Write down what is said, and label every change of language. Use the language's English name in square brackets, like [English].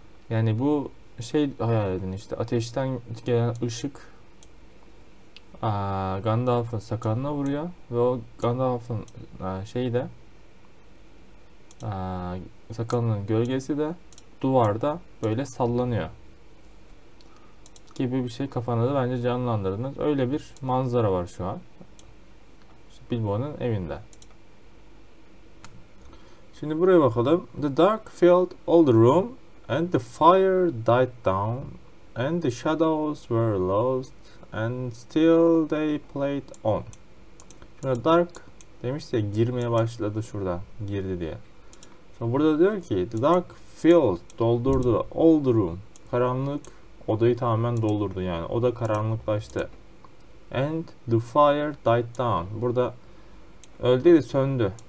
[Turkish] Yani bu şey hayal edin işte, ateşten gelen ışık Gandalf'ın sakalına vuruyor ve o Gandalf'ın şeyi de sakalının gölgesi de duvarda böyle sallanıyor gibi bir şey kafanızda bence canlandırdınız. Öyle bir manzara var şu an işte Bilbo'nun evinde. Şimdi buraya bakalım. [English] The dark filled all the room and the fire died down and the shadows were lost and still they played on. [Turkish] Şimdi dark demişti ya, girmeye başladı şurada, girdi diye. Burada diyor ki [English] the dark filled, [Turkish] doldurdu [English] all the room. [Turkish] Karanlık odayı tamamen doldurdu, yani oda karanlıklaştı. [English] And the fire died down. [Turkish] Burada öldü de söndü.